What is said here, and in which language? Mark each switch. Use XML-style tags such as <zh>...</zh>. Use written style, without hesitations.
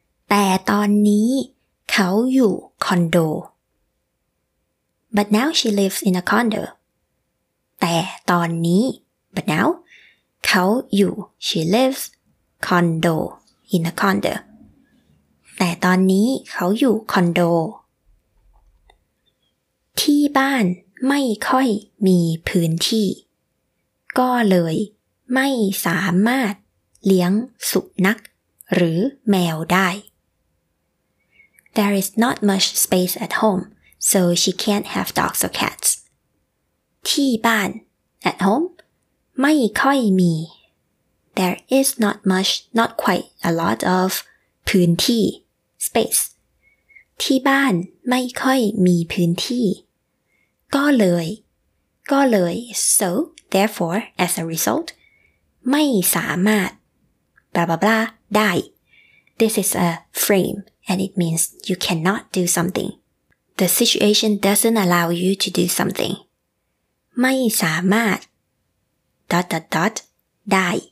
<th>แต่ตอนนี้เขาอยู่คอนโด.</th> <en>But now she lives in a condo.</en> <th>แต่ตอนนี้</th> <en>but now,</en> <th>เขาอยู่</th> <en>she lives condo in a condo.</en> <th>แต่ตอนนี้เขาอยู่คอนโดที่บ้านไม่ค่อยมีพื้นที่ก็เลยไม่สามารถเลี้ยงสุนัขหรือแมวได้</th> <en>There is not much space at home, so she can't have dogs or cats.</en> <th>ที่บ้าน</th> <en>at home</en> <th>ไม่ค่อยมี</th> <en>There is not much, not quite a lot of</en> <th>พื้นที่</th> <en>space.</en> <th>ที่บ้านไม่ค่อยมีพื้นที่ก็เลย ก็เลย</th> <en>so therefore as a result</en> <th>ไม่สามารถ</th> <en>blah blah blah ได้ This is a frame and it means you cannot do something The situation doesn't allow you to do something ไม่สามารถ dot dot dot ได้</en>